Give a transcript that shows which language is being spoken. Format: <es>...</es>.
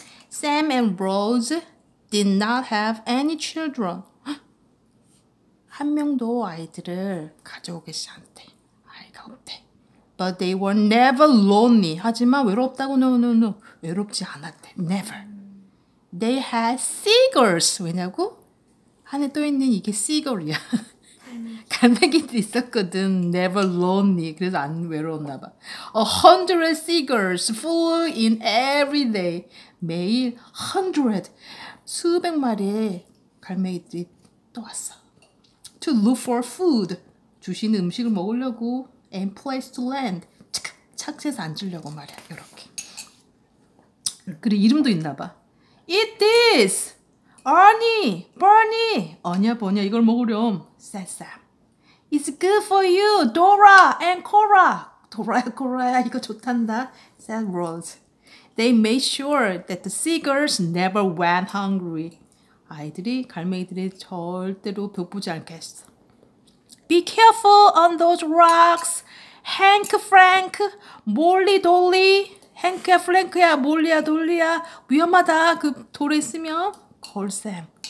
<en>Sam and Rose did not have any children.</en> <ko>한 명도 아이들을 가지고 계시지 않대. 아이가 없대.</ko> <en>But they were never lonely.</en> <ko>하지만 외롭다고 노노노. 외롭지 않았대.</ko> <en>Never. They had seagulls.</en> <ko>왜냐고? 하늘에 떠 있는 이게 seagull이야. 갈매기도 있었거든.</ko> <en>Never lonely.</en> <ko>그래서 안 외로웠나 봐.</ko> <en>100 seagulls flew in every day.</en> <ko>매일 100. 수백 마리의 갈매기들이 떠왔어.</ko> <en>To look for food.</en> <ko>주신 음식을 먹으려고.</ko> <en>And place to land.</en> <ko>착지에서 앉으려고 말이야. 이렇게. 그리고 이름도 있나 봐.</ko> <en>Eat this! Ernie! Bernie!</en> <ko>아니야, 뭐냐, 이걸 먹으렴.</ko> <en>Said Sam. It's good for you, Dora and Cora.</en> <ko>Dora야, Cora야, 이거 좋단다.</ko> <en>Said Rose. They made sure that the seagulls never went hungry.</en> <ko>아이들이, 갈매기들이 절대로 배부르지 않게 했어.</ko> <en>Be careful on those rocks. Hank, Frank, Molly, Dolly.</en> <ko>헨크야, 플랭크야, 몰리야, 돌리야. 위험하다, 그 돌에 있으면. 콜샘.</ko>